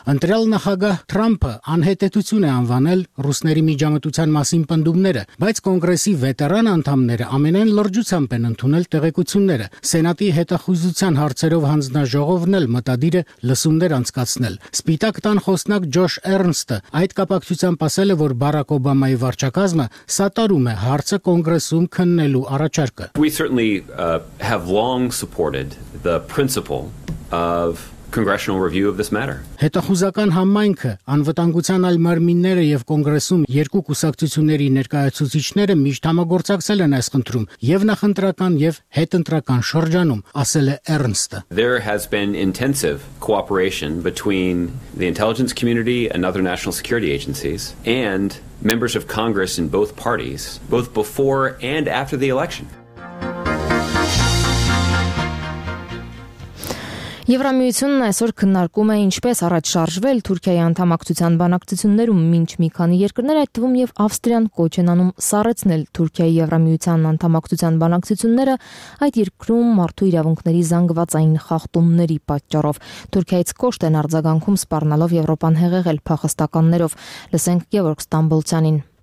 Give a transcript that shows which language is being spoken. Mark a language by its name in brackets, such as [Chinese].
[Armenian] Ընտրյալ նախագահ Թրամփը անհետեցություն է անվանել ռուսների միջամտության մասին պնդումները, բայց կոնգրեսի վետերան անդամները ամենայն լրջությամբ են ընդունել տեղեկությունները, սենատի հետախուզության հարցերով հանձնաժողովն էլ մտադիր է լսումներ անցկացնել։ Սպիտակ տան խոսնակ Ջոշ Էրնստը այդ կապակցությամբ ասել է, որ Բարակ Օբամայի վարչակազմը սատարում է հարցը կոնգրեսում քննելու առաջարկը։ [English] We certainly have long supported the principle of congressional review of this matter. [Armenian] Հետախուզական համայնքը, անվտանգության այլ մարմինները եւ կոնգրեսում երկու կուսակցությունների ներկայացուցիչները միշտ համագործակցել են այս խնդրում, եւ նախընտրական եւ հետընտրական շրջանում, ասել է Ernst-ը. [English] There has been intensive cooperation between the intelligence community and other national security agencies and members of Congress in both parties, both before and after the election. [Armenian] Եվրամիությունն այսօր քննարկում է ինչպես առաջ շարժվել Թուրքիայի անդամակցության բանակցություններում, մինչ մի քանի երկրներ, այդ թվում եւ Ավստրիան, կոչ են անում սառեցնել Թուրքիայի Եվրամիության անդամակցության բանակցությունները այդ երկրում մարդու իրավունքների զանգվածային խախտումների պատճառով։ Թուրքիայից կոչտ են արձագանքում սպառնալով Եվրոպան հեղեղել փախստականներով։ Լսենք Գևորգ Ստամբոլցյանին։